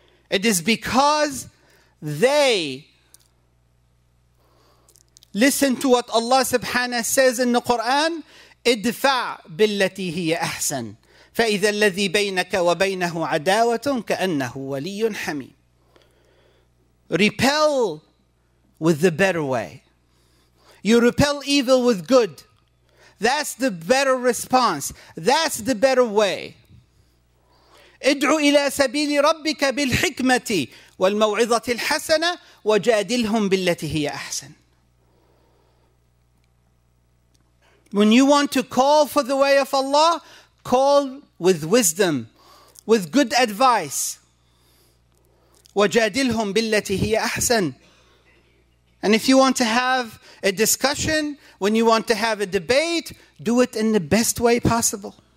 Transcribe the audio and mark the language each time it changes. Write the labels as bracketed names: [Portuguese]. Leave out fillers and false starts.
[English] It is because they listen to what Allah subhanahu wa ta'ala says in the Quran, [Arabic] اِدْفَعْ بِالَّتِي هِيَ أَحْسَنُ فَإِذَا الَّذِي بَيْنَكَ وَبَيْنَهُ عَدَاوَةٌ كَأَنَّهُ وَلِيٌّ حَمِيمٌ. [English] Repel with the better way. You repel evil with good. That's the better response. That's the better way. [Arabic] ادعو إلى سبيل ربك بالحكمة والموعظة الحسنة وجادلهم بالتي هي أحسن. [English] When you want to call for the way of Allah, call with wisdom, with good advice. [Arabic] وجادلهم بالتي هي أحسن. [English] And if you want to have a discussion, when you want to have a debate, do it in the best way possible.